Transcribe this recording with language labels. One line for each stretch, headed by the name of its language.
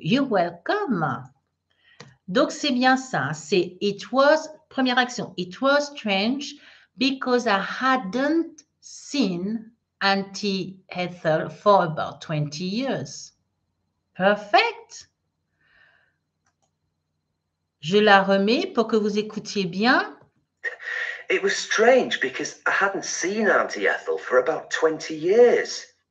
English: You're welcome.
French: Donc, c'est bien ça.
English: C'est, it was,
French: première action,
English: it was strange because I hadn't seen Auntie Ethel for about 20 years. Perfect.
French: Je la remets pour que vous écoutiez bien.
English: It was strange because I hadn't seen Auntie Ethel for about 20 years.